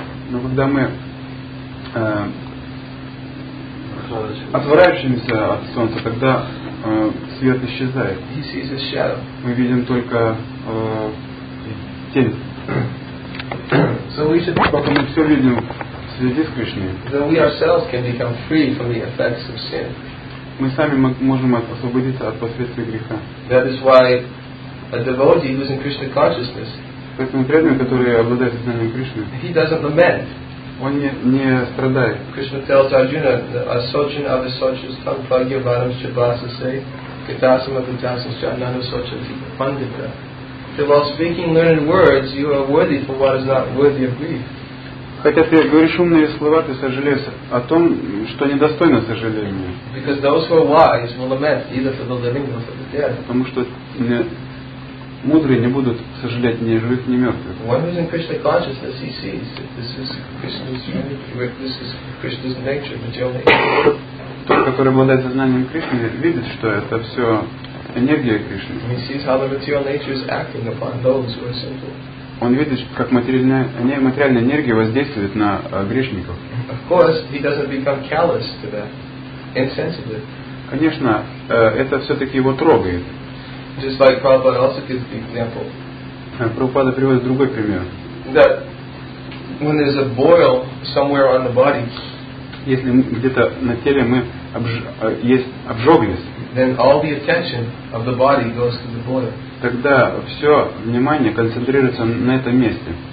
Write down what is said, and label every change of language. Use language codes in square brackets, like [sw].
[ru] Но когда мы отворачиваемся от солнца, тогда свет исчезает. Мы видим только тень. [en] So we should... [ru] Только мы все видим в связи с Кришной. [en] Then we ourselves can become free from the effects of sin. [ru] Мы сами можем освободиться от последствий греха. [en] That is why a devotee who is in Krishna consciousness. [ru] Поэтому преданный, который обладает сознанием Кришны, [en] he doesn't lament. [ru] Он не страдает. [en] Krishna tells Arjuna, [sa] Asochin avisochin tam bhagya varam chabasa say, kitasam apitasam chanana sochin pandita. [en] That while speaking learned words, you are worthy for what is not worthy of grief. [ru] Хотя ты говоришь умные слова, ты сожалеешь о том, что недостойно сожаления. [en] Because those who are wise will lament either for the living or for the dead. [ru] Потому что мудрые не будут сожалеть ни живых, ни мертвых. [en] One who is in Krishna consciousness, he sees that this is Krishna's nature, this is Krishna's nature, material nature. [ru] Тот, который обладает сознанием Кришны, видит, что это все энергия Кришны. [en] He sees how the material nature is acting upon those who are simple. [ru] Он видит, как материальная энергия воздействует на грешников. [en] Of course, he doesn't become callous to that, insensitive. [ru] Конечно, это все-таки его трогает. [en] Just like Prabhupada also gives the example. [ru] Прабхупада приводит другой пример. [en] That when there's a boil somewhere on the body. [ru] Если где-то на теле есть обжоренность. [en] Then all the attention of the body goes to the boil. [ru] Тогда все внимание концентрируется на этом месте.